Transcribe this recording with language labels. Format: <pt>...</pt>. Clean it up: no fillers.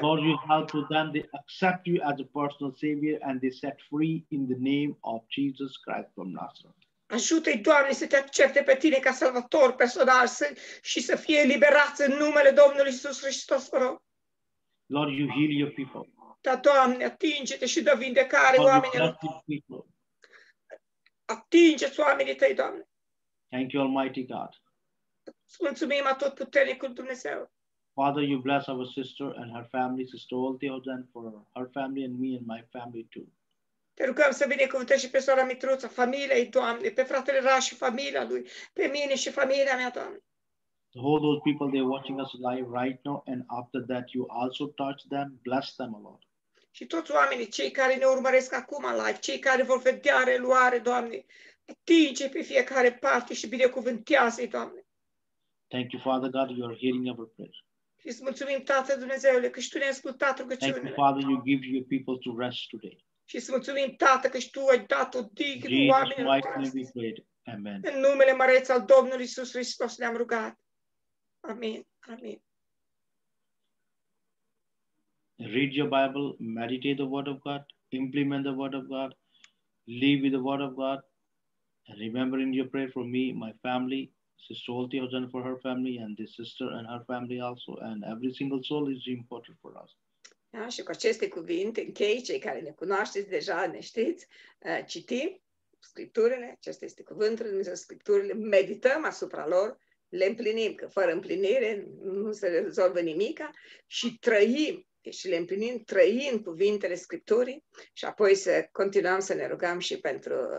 <en>Lord, you help to them, they accept you as a personal savior and they set free in the name of Jesus Christ from Nazareth.</en> <ro>Ajută-i, Doamne, să te accepte pe tine ca salvator personal și să fie eliberați în numele Domnului Iisus Hristos, vă rog.</ro> <en>Lord, you heal your people.</en> <ro>Da, Doamne, atinge-te și dă vindecare oamenilor. Atinge-ți oamenii tăi, Doamne.</ro> <en>Thank you, Almighty God.</en> <ro>Mulțumim a tot puternicul Dumnezeu.</ro> <en>Father, you bless our sister and her family, sister Olti Ozen, for her family and me and my family too.</en> <ro>Te rugăm să binecuvântești și pe sora Mitruța, familia ei, Doamne, pe fratele Ra și familia lui, pe mine și familia mea, Doamne.</ro> <en>To all those people, they're watching us live right now and after that, you also touch them, bless them, O Lord.</en> <ro>Și toți oamenii, cei care ne urmăresc acum live, cei care vor vedea reluare, Doamne, atinge pe fiecare parte și binecuvântează-i, Doamne.</ro> <en>Thank you, Father God, you are hearing our prayer.</en> <ro>Și îți mulțumim, Tatăl Dumnezeule, că și Tu ne-ai ascultat rugăciunile.</ro> <en>Thank you, Father, you give your people to rest today.</en> <ro>Și să mulțumim, Tată, că și Tu ai dat o dignă cu oamenilor.</ro> <en>Amen.</en> <ro>În numele măreț al Domnului Iisus Hristos ne-am rugat. Amin. Amin.</ro> <en>Read your Bible, meditate the Word of God, implement the Word of God, live with the Word of God, and remember in your prayer for me, my family, Sister Olti Ozen for her family, and this sister and her family also, and every single soul is important for us.</en> <ro>Da, și cu aceste cuvinte închei, cei care ne cunoașteți deja, ne știți, citim scripturile, acesta este cuvântul lui Dumnezeu, scripturile, medităm asupra lor, le împlinim, că fără împlinire nu se rezolvă nimica și trăim, deci le împlinim, trăim cuvintele scripturii și apoi să continuăm să ne rugăm și pentru</ro>